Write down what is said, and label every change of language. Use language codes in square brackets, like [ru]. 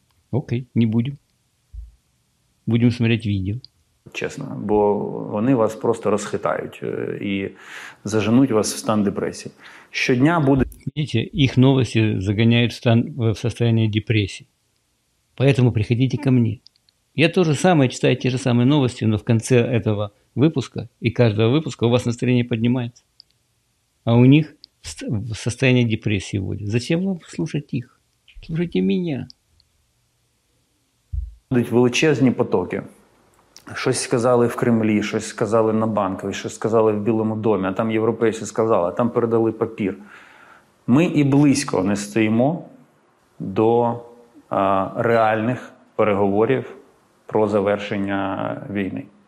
[ru] Окей, не будем. Будем смотреть видео. [uk] Чесно, бо вони вас просто розхитають і заженуть вас в стан депресії. Щодня буде... Видите, їх новості заганяють в состояние депресії. [ru] Поэтому приходите ко мне. Я то же самое читаю те же самые новости, но в конце этого выпуска и каждого выпуска у вас настроение поднимается. А у них в состояние депрессии вводят. Зачем вам слушать их? Слушайте меня. [uk] Будуть величезні потоки Щось сказали в Кремлі, щось сказали на Банковій, щось сказали в Білому домі, а там європейці сказали, а там передали папір. Ми і близько не стоїмо до реальних переговорів про завершення війни.